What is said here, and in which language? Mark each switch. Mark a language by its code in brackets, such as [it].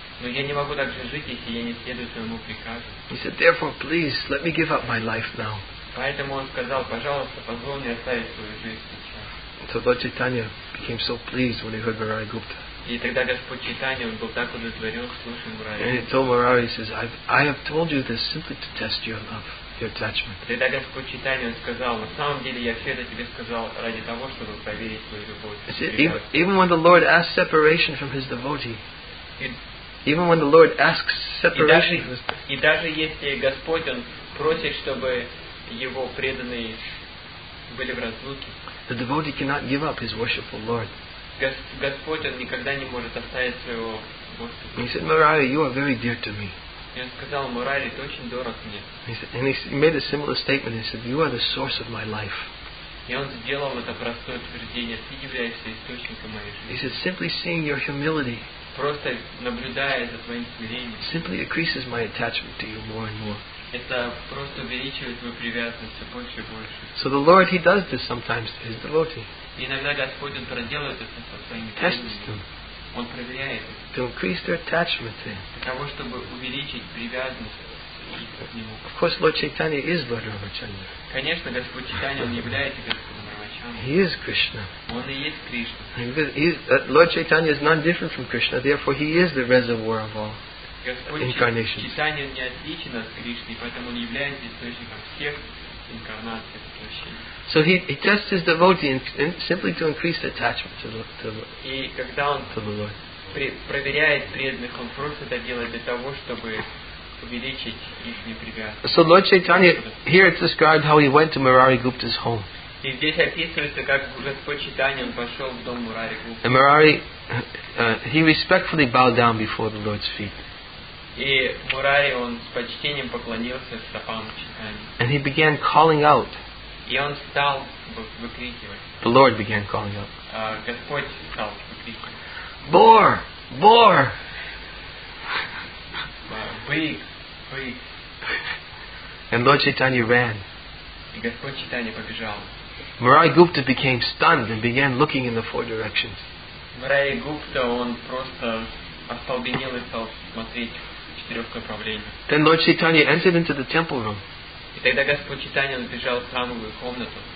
[ru] Но я не могу так же жить, если я не следую своему приказу. [en] He said, therefore, please, let me give up my life now. [ru] Поэтому он сказал, пожалуйста, позволь мне оставить свою жизнь сейчас. [en] So Lord Chaitanya became so pleased when he heard Varahi Gupta. And he told Varahi, he says, I have told you this simply to test your love, your attachment. Even when the Lord asks separation from his devotee, even when the Lord asks separation from his devotee, and [ru] даже если Господь просит, чтобы его преданные были в разлуке, [en] the devotee cannot give up his worshipful Lord. [ru] Господь, он никогда не может оставить своего Господа. [en] He said, Murari, you are very dear to me. [ru] И он сказал, Мурари, ты очень дорог мне. [en] He made a similar statement. He said, you are the source of my life. [ru] И он сделал это простое утверждение. Ты являешься источником моей жизни. [en] He said, simply seeing your humility, [ru] просто наблюдая за твоим смирением, [en] simply increases my attachment to you more and more. [ru] Это просто увеличивает мою привязанность все больше и больше. [en] So the Lord, he does this sometimes to his devotee. [ru] Иногда Господь он проделывает это со своими преданными. Он проверяет их. [en] To increase their attachment to him. [ru] Для того, чтобы увеличить привязанность к нему. [en] Of course, Lord Chaitanya is Lord Ramachandra. [ru] Конечно, Господь Чайтанья является Господом Рамачандра. [en] He is Krishna. [ru] Он и есть Кришна. [en] Lord Chaitanya is none different from Krishna, therefore he is the reservoir of all. [ru] Господь [en] incarnations. [ru] Чайтанья не отличен от Кришны, поэтому он является источником всех инкарнаций и воплощений. [en] So he tests his devotee in simply to increase attachment to the Lord. [ru] Проверяет преданных, он просто это делает для того, чтобы увеличить их привязанность. [en] So Lord Chaitanya, here it's described how he went to Murari Gupta's home. [ru] И здесь описывается, как Господь Чайтанья пошел в дом Мурари Гупты. [en] And Murari, he respectfully bowed down before the Lord's feet. [ru] И Мурари, он с почтением поклонился стопам Чайтаньи. [en] And he began calling out. [ru] И он стал выкрикивать. [en] The Lord began calling out. [ru] Господь стал выкрикивать. [en] Boar! Boar! [ru] Бык! Бык! [en] And Lord Chaitanya ran. [ru] И Господь Чайтанья побежал. [en] Murari Gupta became stunned and began looking in the four directions. [ru] Murari Gupta, он просто остолбенел и стал смотреть в четырех направлениях. [en] Then Lord Chaitanya entered into the temple room. [ru] И тогда Господь Чайтанья убежал в храмовую комнату.